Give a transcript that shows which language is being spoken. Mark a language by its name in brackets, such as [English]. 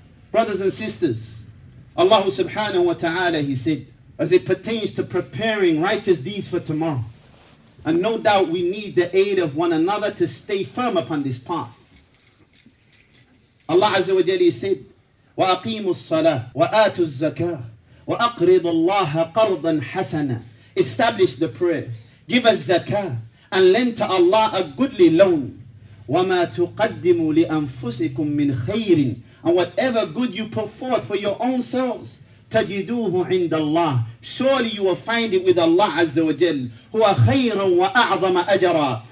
[English] Brothers and sisters, Allah subhanahu wa ta'ala, he said, as it pertains to preparing righteous deeds for tomorrow. And no doubt we need the aid of one another to stay firm upon this path. [Arabic] Allah Azza wa Jalla said, وَأَقِيمُوا الصَّلَاةَ وَآتُوا الزَّكَاةَ وَأَقْرِضُوا اللَّهَ قَرْضًا حَسَنًا. [English] Establish the prayer. Give us zakah. And lend to Allah a goodly loan. [Arabic] وَمَا تُقَدِّمُوا لِأَنفُسِكُم مِّنْ خَيْرٍ. [English] And whatever good you put forth for your own selves, [Arabic] تَجِدُوهُ عِنْدَ اللَّهِ. [English] Surely you will find it with Allah Azza wa Jal. [Arabic] هُوَ خَيْرًا وَأَعْظَمَ أَجَرًا.